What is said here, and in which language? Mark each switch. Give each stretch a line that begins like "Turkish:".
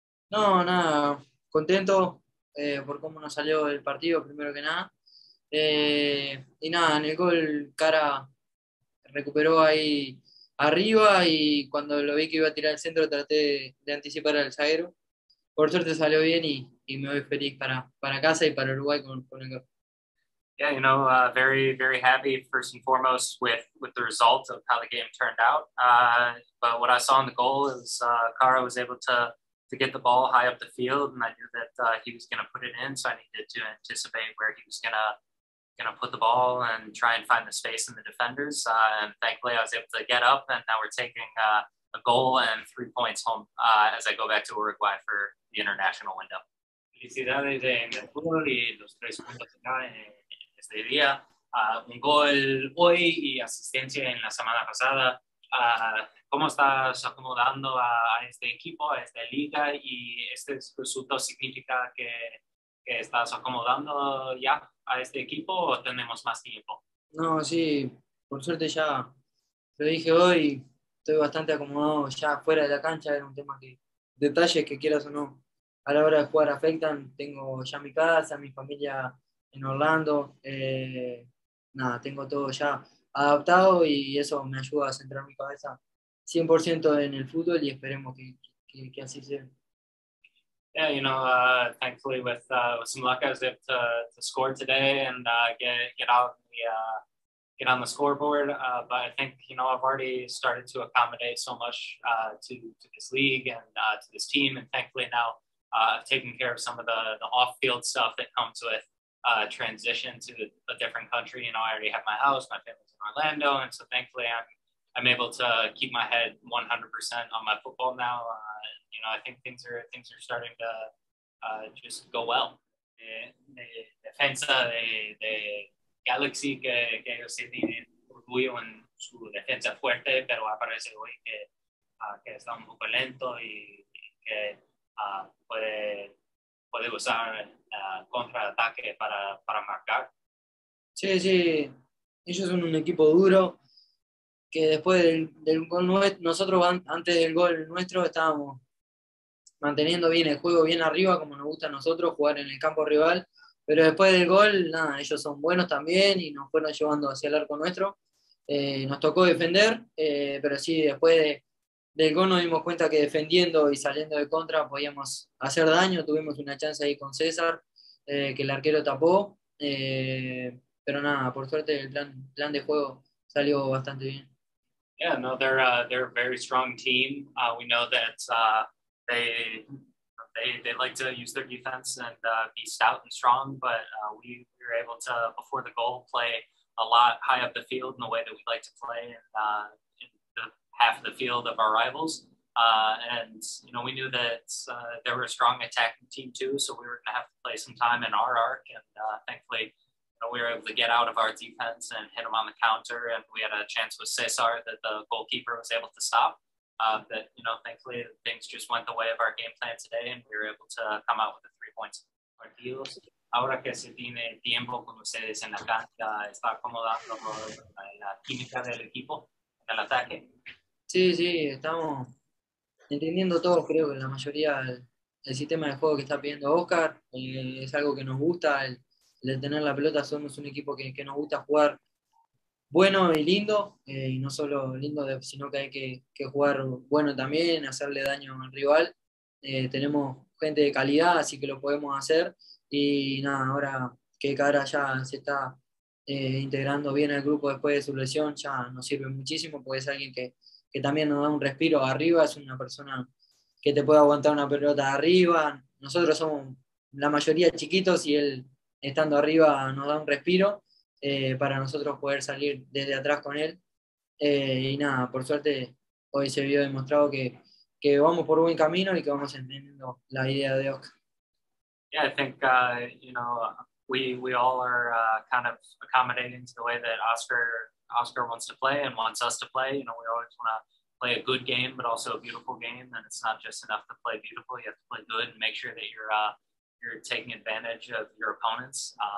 Spanish: No, nada, contento por cómo nos salió el partido, primero que nada. Y nada, en el gol, cara. Recuperó ahí arriba y cuando lo vi que iba a tirar al centro traté de anticipar al zaguero. Por suerte salió bien y me voy feliz para casa y para Uruguay con el gol.
English: Yeah, very, very happy first and foremost with the results of how the game turned out. But what I saw in the goal is Caro was able to get the ball high up the field, and I knew that he was going to put it in. So I needed to anticipate where he was going to put the ball and try and find the space in the defenders. And thankfully, I was able to get up, and now we're taking a goal and 3 points home as I go back to Uruguay for the international window.
Spanish: Felicidades en el fútbol y los 3 puntos acá en este día. Un gol hoy y asistencia en la semana pasada. ¿Cómo estás acomodando a este equipo, a esta liga? ¿Y este resultado significa que estás acomodando ya a este equipo o tenemos más tiempo? No, sí, por suerte ya lo dije hoy, estoy bastante acomodado ya fuera de la cancha, era un tema que detalles que quieras o no a la hora de jugar afectan, tengo ya mi casa, mi familia en Orlando, nada, tengo todo ya adaptado y eso me ayuda a centrar mi cabeza 100% en el fútbol y esperemos que así sea.
English: Yeah, thankfully with some luck, I was able to score today and get out the get on the scoreboard. But I think I've already started to accommodate so much to this league and to this team, and thankfully now I've taken care of some of the off-field stuff that comes with transition to a different country. I already have my house, my family's in Orlando, and so thankfully I'm able to keep my head 100% on my football now. I think things are starting to just go well.
Spanish: Defensa de Galaxy, que ellos sí tienen orgullo en su defensa fuerte, pero aparece hoy que está un poco lento y que puede usar contraataque para marcar. Sí, ellos son un equipo duro, que después del gol nuestro, nosotros antes del gol nuestro estábamos manteniendo bien el juego, bien arriba, como nos gusta a nosotros, jugar en el campo rival, pero después del gol, nada, ellos son buenos también y nos fueron llevando hacia el arco nuestro. Nos tocó defender, pero sí, después del gol nos dimos cuenta que defendiendo y saliendo de contra podíamos hacer daño, tuvimos una chance ahí con César, que el arquero tapó. Pero nada, por suerte el plan de juego salió bastante bien.
English: Yeah, no, they're a very strong team. We know that they like to use their defense and be stout and strong, but we were able to, before the goal, play a lot high up the field in the way that we like to play in the half of the field of our rivals. And we knew that they were a strong attacking team too, so we were going to have to play some time in our arc, and thankfully we were able to get out of our defense and hit him on the counter, and we had a chance with Cesar that the goalkeeper was able to stop. But thankfully things just went the way of our game plan today, and we were able to come out with the 3 points.
Spanish: Partidos. Ahora que se tiene tiempo con ustedes en la cancha, ¿está acomodando la química del equipo en el ataque? Sí, estamos entendiendo todos, creo, que la mayoría del sistema de juego que está pidiendo Oscar, es algo que nos gusta, de tener la pelota. Somos un equipo que nos gusta jugar bueno y lindo, y no solo lindo, sino que hay que jugar bueno también, hacerle daño al rival. Tenemos gente de calidad, así que lo podemos hacer. Y nada, ahora que Cara ya se está integrando bien al grupo después de su lesión, ya nos sirve muchísimo, porque es alguien que también nos da un respiro arriba, es una persona que te puede aguantar una pelota arriba. Nosotros somos la mayoría chiquitos y él, estando arriba, nos da un respiro para nosotros poder salir desde atrás con él. Y nada, por suerte hoy se vio demostrado que vamos por buen camino y que vamos entendiendo la idea de Oscar.
English: Yeah, I think, you know, we all are kind of accommodating to the way that Oscar wants to play and wants us to play. You know, we always want to play a good game, but also a beautiful game. And it's not just enough to play beautiful. You have to play good and make sure that you're taking advantage of your opponents.